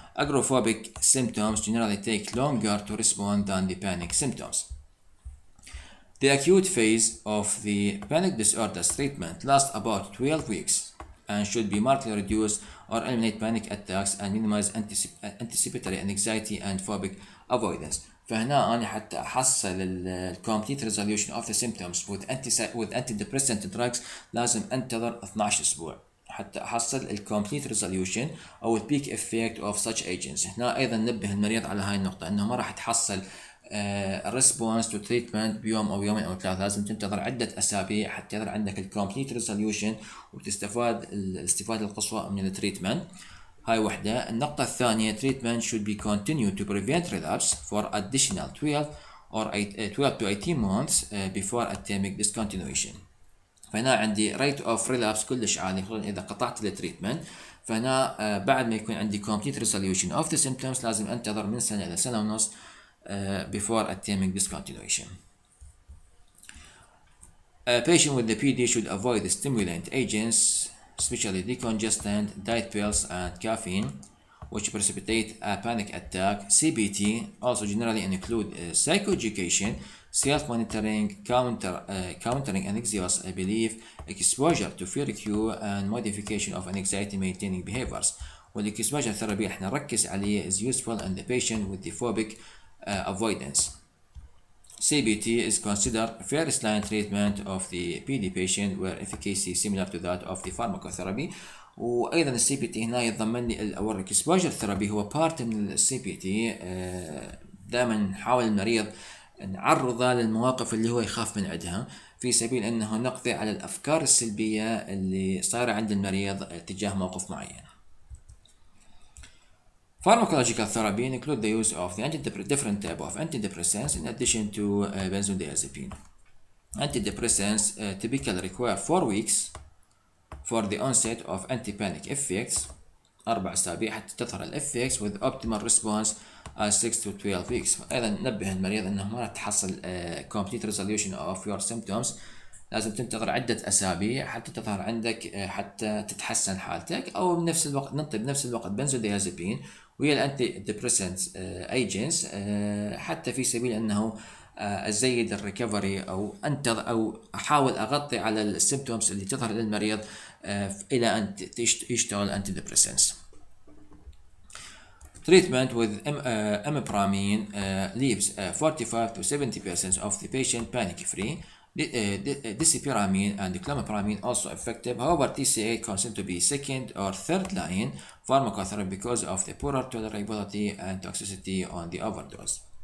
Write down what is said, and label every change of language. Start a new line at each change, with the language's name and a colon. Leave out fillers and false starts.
English: Agoraphobic symptoms generally take longer to respond than the panic symptoms. The acute phase of the panic disorders treatment lasts about 12 weeks and should be markedly reduced or eliminate panic attacks and minimize anticipatory anxiety and phobic avoidance.
Arabic: فهنا أنا حتى أحصل الـ
English: complete resolution of the symptoms with antidepressant drugs
Arabic: لازم أنتظر 12 أسبوع حتى أحصل الـ complete resolution أو الـ
English: peak effect of such agents.
Arabic: هنا أيضا نبه المريض على هاي النقطة أنه ما راح تحصل
English: response to treatment
Arabic: بيوم أو يومين أو ثلاثة، لازم تنتظر عدة أسابيع حتى يظهر عندك الـ complete resolution وتستفاد الاستفادة القصوى من الـ treatment. هاي واحدة. النقطة الثانية
English: treatment should be continued to prevent relapse for additional 12 to 18 months before attempting discontinuation.
Arabic: فهنا عندي
English: rate of relapse
Arabic: كلش عالي خلال إذا قطعت الـ treatment. فهنا بعد ما يكون عندي
English: complete resolution of the symptoms
Arabic: لازم أنتظر من سنة إلى سنة ونص
English: before attempting discontinuation. A patient with the PD should avoid the stimulant agents, especially decongestant, diet pills, and caffeine, which precipitate a panic attack. CBT also generally include psychoeducation, self-monitoring, countering anxious belief, exposure to fear cue, and modification of anxiety-maintaining behaviors. While exposure therapy
Arabic: احنا نركز عليه
English: is useful in the patient with the phobic avoidance. CBT is considered first line treatment of the PD patient where efficacy similar to that of the pharmacotherapy.
Arabic: وأيضا CBT هنا يضمن لي الأور إكسبوجر ثيرابي هو بارت من CBT. دائما نحاول المريض نعرضه للمواقف اللي هو يخاف من عندها في سبيل أنه نقضي على الأفكار السلبية اللي صايرة عند المريض تجاه موقف معين.
English: Pharmacological therapy include the use of the different type of antidepressants in addition to benzodiazepine. Antidepressants typically require 4 weeks for the onset of anti-panic effects,
Arabic: 4 أسابيع حتى تظهر الإفكتس
English: with optimal response as 6 to 12 weeks.
Arabic: أيضا نبه المريض أنه ما راح تحصل
English: complete resolution of your symptoms.
Arabic: لازم تنتظر عدة أسابيع حتى تظهر عندك حتى تتحسن حالتك أو بنفس الوقت ننطي بنفس الوقت بنزوديازيبين ويا الأنتي ديبريسنت أيجنس حتى في سبيل أنه أزيد الريكفري أو أنتظر أو أحاول أغطي على السيمبتومز اللي تظهر للمريض إلى أن يشتغل أنتي ديبريسنت.
English: Treatment with amipramine leaves 45 to 70% of the patient panic free. Disopyramine and clomipramine also effective. However, TCA considered to be second or third line pharmacotherapy because of the poorer tolerability and toxicity on the overdose.